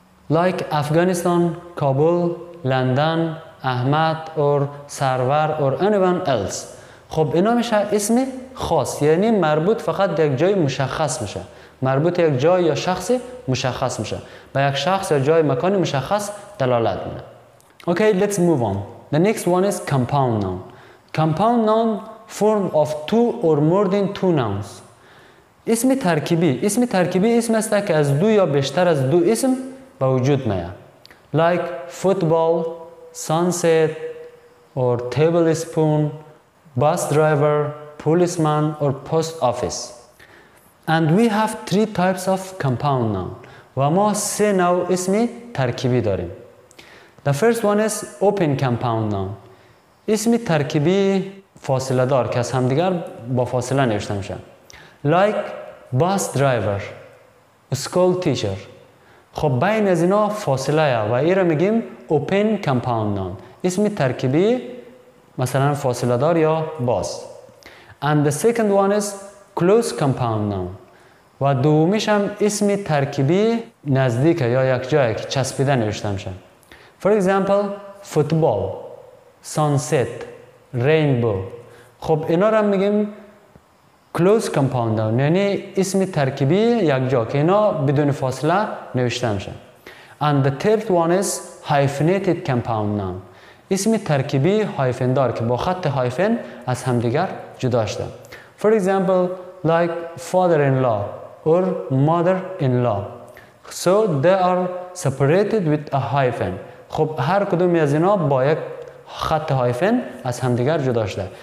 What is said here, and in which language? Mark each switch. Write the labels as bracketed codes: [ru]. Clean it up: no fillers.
[en] Like Afghanistan, Kabul, London, Ahmad, اور سرور، اور anyone else. [fa] خب اینا میشه اسم خاص، یعنی مربوط فقط در یک جای مشخص میشه، مربوط یک جای یا شخص مشخص میشه، به یک شخص یا جای مکان مشخص دلالت میده. [en] Okay, let's move on. The next one is compound noun. Compound noun form of two or more than two nouns. [fa] اسم ترکیبی. اسم ترکیبی اسم است که از دو یا بیشتر از دو اسم به وجود میاد. [en] Like football, sunset, or table spoon, bus driver, policeman, or post office. And we have three types of compound noun. [fa] و ما سه نوع اسم ترکیبی داریم. [en] The first one is open compound noun. [fa] اسم ترکیبی فاصله دار که از همدیگر با فاصله نوشته میشه. [en] like bus driver, school teacher. [fa] خب بین از اینا فاصله یا و ایره میگیم open compound noun. اسم ترکیبی مثلا فاصله دار یا باز. [en] And the second one is close compound noun. [fa] و دومیش هم اسم ترکیبی نزدیکه یا یک جایی که چسبیده نوشته میشه. [en] For example, football, sunset, rainbow. [fa] خب اینا رو هم میگیم close compound noun. یعنی اسم ترکیبی یک جا که اینا بدون فاصله نوشته میشه. [en] And the third one is hyphenated compound noun. [fa] اسم ترکیبی هایفن دار که با خط هایفن از همدیگر جدا شده. [en] For example, like father-in-law or mother-in-law. So they are separated with a hyphen. [fa] خب هر کدومی از اینا با یک خط هایفن از همدیگر جدا شده.